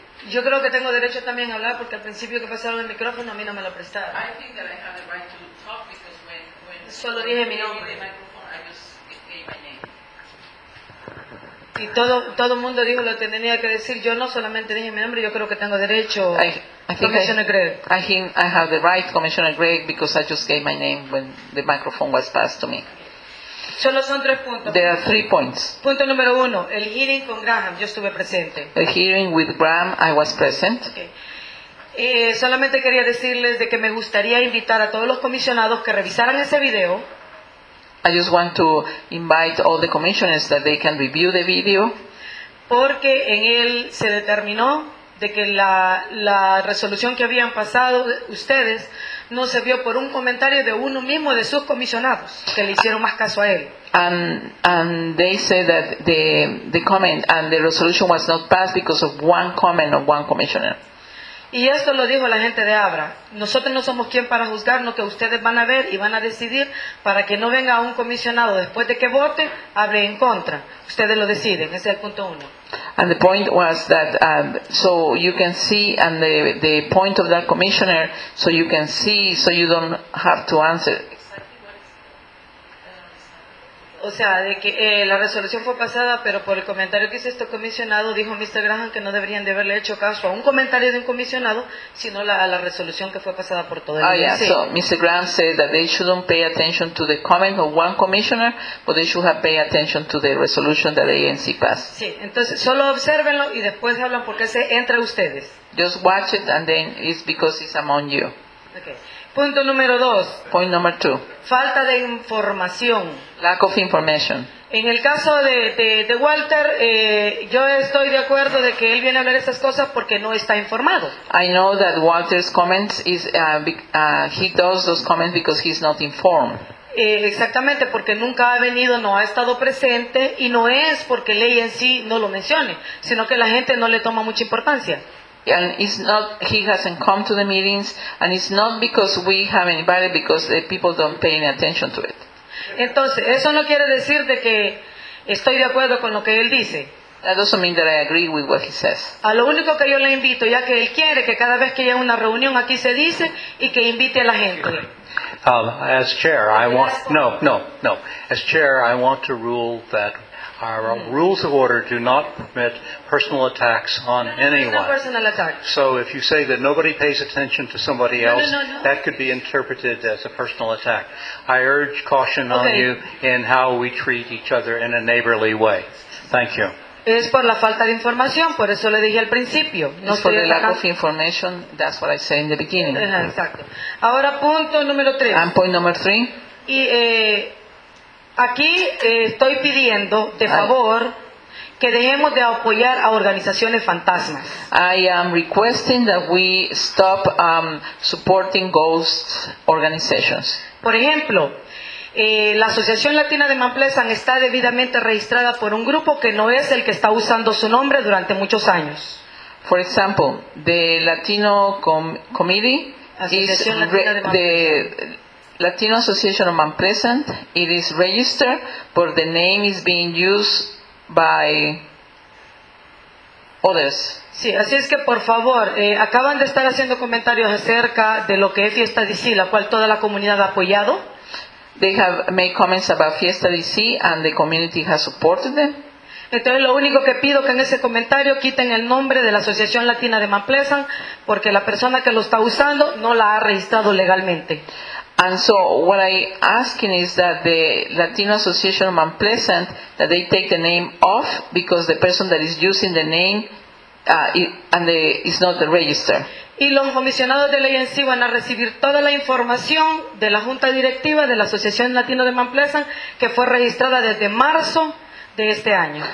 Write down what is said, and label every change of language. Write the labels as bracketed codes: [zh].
[es] Yo creo que tengo derecho también a hablar porque al principio que pasaron el micrófono a mí no me lo prestaron. [en] I think that I have the right to talk because when [es] solo dije mi nombre. [en] The microphone, I just gave my name. [es] Y todo mundo dijo lo que tenía que decir. Yo no solamente dije mi nombre, yo creo que tengo derecho. [en] I think I have the right, Commissioner Gregg, because I just gave my name when the microphone was passed to me. [es] Solo son tres puntos. [en] There are 3 points. [es] Punto número uno, el hearing con Graham, yo estuve presente. [en] A hearing with Graham, I was present. Okay. [es] Solamente quería decirles de que me gustaría invitar a todos los comisionados que revisaran ese video. [en] I just want to invite all the commissioners that they can review the video. [es] Porque en él se determinó de que la resolución que habían pasado ustedes no se vio por un comentario de uno mismo de sus comisionados que le hicieron más caso a él. [en] And they said that the comment and the resolution was not passed because of one comment of one commissioner. [es] Y esto lo dijo la gente de Abra. Nosotros no somos quien para juzgar lo que ustedes van a ver y van a decidir, para que no venga un comisionado después de que vote hable en contra. Ustedes lo deciden. Ese es el punto uno. [en] And the point was that so you can see, and the point of that commissioner, so you can see, so you don't have to answer. Exactly what is, [es] O sea, de que la resolución fue pasada, pero por el comentario que hizo este comisionado, dijo Mr. Graham que no deberían de haberle hecho caso a un comentario de un comisionado, sino a la resolución que fue pasada por todo el mundo. [en] Yeah, so Mr. Graham said that they shouldn't pay attention to the comment of one commissioner, but they should have paid attention to the resolution that the ANC passed. [es] Sí, entonces solo obsérvenlo y después hablan porque se entra ustedes. [en] Just watch it and then it's because it's among you. [es] Okay. Punto número dos. [en] Point number two. [es] Falta de información. [en] Lack of information. [es] En el caso de Walter, yo estoy de acuerdo de que él viene a hablar estas cosas porque no está informado. [en] I know that Walter's comments is he does those comments because he's not informed. [es] Exactamente, porque nunca ha venido, no ha estado presente, y no es porque ley en sí no lo mencione, sino que la gente no le toma mucha importancia. [en] And it's not, he hasn't come to the meetings, and it's not because we haven't invited, because the people don't pay any attention to it. [es] Entonces, eso no quiere decir de que estoy de acuerdo con lo que él dice. [en] That doesn't mean that I agree with what he says. [es] A lo único que yo le invito, ya que él quiere, que cada vez que haya una reunión aquí se dice, y que invite a la gente. [en] As chair, I want, no. As chair, I want to rule that our rules of order do not permit personal attacks on anyone. So if you say that nobody pays attention to somebody else, no. That could be interpreted as a personal attack. I urge caution on you in how we treat each other in a neighborly way. Thank you. [es] Es por la falta de información, por eso le dije al principio. No, [en] for the lack of information, that's what I said in the beginning. [es] Exacto. Ahora punto número tres. [en] And point number three. [es] Y aquí estoy pidiendo, de favor, que dejemos de apoyar a organizaciones fantasmas. [en] I am requesting that we stop supporting ghost organizations. [es] Por ejemplo, la Asociación Latina de Manplesan está debidamente registrada por un grupo que no es el que está usando su nombre durante muchos años. [en] For example, the Latino Committee [es] Asociación [en] is Latino Association of Mount Pleasant, it is registered, but the name is being used by others. [es] Sí, así es que por favor, acaban de estar haciendo comentarios acerca de lo que es Fiesta DC, la cual toda la comunidad ha apoyado. [en] They have made comments about Fiesta DC and the community has supported them. [es] Entonces lo único que pido que en ese comentario quiten el nombre de la Asociación Latina de Mount Pleasant, porque la persona que lo está usando no la ha registrado legalmente. [en] And so what I'm asking is that the Latino Association of Mount Pleasant, that they take the name off, because the person that is using the name is not the register. [es] Y los comisionados de ley en sí van a recibir toda la información de la Junta Directiva de la Asociación Latino de Mount Pleasant, que fue registrada desde marzo de este año.